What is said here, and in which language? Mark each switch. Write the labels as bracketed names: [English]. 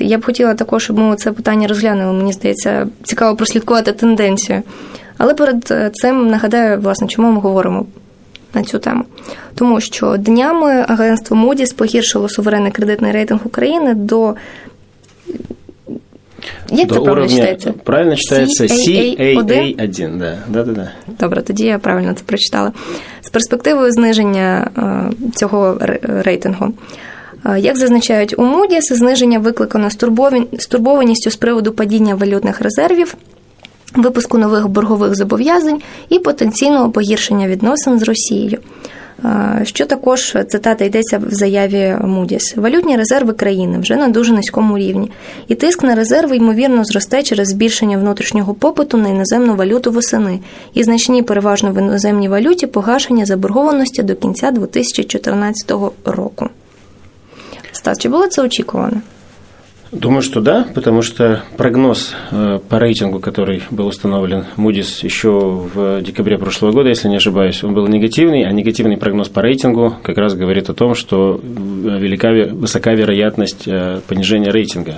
[Ukrainian] Я б хотіла також, щоб ми це питання розглянули, мені здається, цікаво прослідкувати тенденцію. Але перед цим нагадаю, власне, чому ми говоримо на цю тему. Тому що днями агентство Moody's погіршило суверенний кредитний рейтинг України до [Russian] Нет, до уровня... Правильно считается CAA1, да. Да-да-да. [Ukrainian] Добре, тоді я правильно це прочитала. З перспективою зниження цього рейтингу. Як зазначають у Moody's, зниження викликано стурбованістю з приводу падіння валютних резервів, випуску нових боргових зобов'язань і потенційного погіршення відносин з Росією. Що також, цитата, йдеться в заяві Moody's. Валютні резерви країни вже на дуже низькому рівні. І тиск на резерви, ймовірно, зросте через збільшення внутрішнього попиту на іноземну валюту восени і значні переважно в іноземній валюті погашення заборгованості до кінця 2014 року. Стас, чи було це очікувано? [Russian] Думаю, что да, потому что прогноз по рейтингу, который был установлен Moody's еще в декабре прошлого года, если не ошибаюсь, он был негативный, а негативный прогноз по рейтингу как раз говорит о том, что высока вероятность понижения рейтинга.